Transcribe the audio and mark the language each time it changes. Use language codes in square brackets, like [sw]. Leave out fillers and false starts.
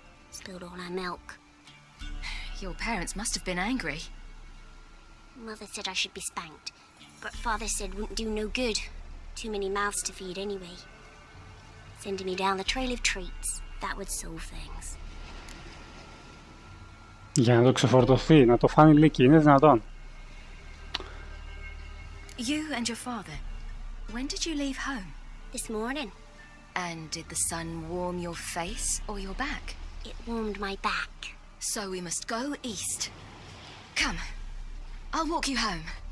[en] Spilled all our milk. Your parents must have been angry. Mother said I should be spanked. But father said it wouldn't do no good. Too many mouths to feed anyway. Sending me down the trail of treats, that would solve things. [el] Για να το ξεφορτωθεί, να το φάνει λύκη, είναι δυνατόν. [en] You and your father, when did you leave home? This morning. And did the sun warm your face or your back? It warmed my back. So we must go east. Come, I'll walk you home.